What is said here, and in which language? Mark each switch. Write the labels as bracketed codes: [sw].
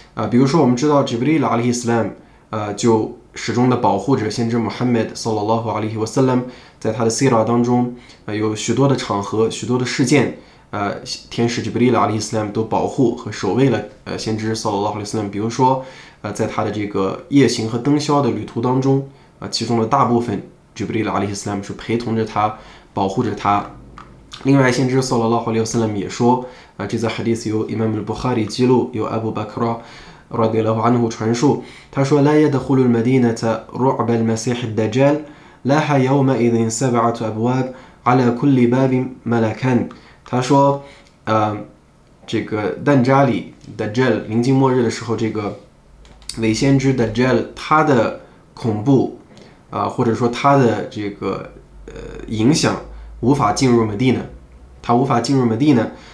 [zh] 比如说我们知道 Jibril alayhi salam，就始终的保护着先知 Muhammad sallallahu alaihi wasallam，在他的 Sira 当中，有许多的场合、许多的事件，天使 Jibril alaihi salam 都保护和守卫了先知 sallallahu alaihi wasallam。比如说，在他的这个夜行和灯宵的旅途当中，其中的大部分 Jibril alaihi salam 是陪同着他、保护着他。另外，先知 sallallahu alaihi wasallam 也说，这则 Hadith 由 Imam al-Bukhari 记录，由 Abu Bakr رضي الله عنه 传述，他说： [ar] "لا يدخل المدينة رعب المسيح الدجال، لها يومئذ سبعة أبواب على كل باب ملكان。" [zh] 他说："这个但扎里 Dajjal 临近末日的时候，这个伪先知 Dajjal 他的恐怖，或者说他的这个影响，无法进入 Medina，他无法进入 Medina。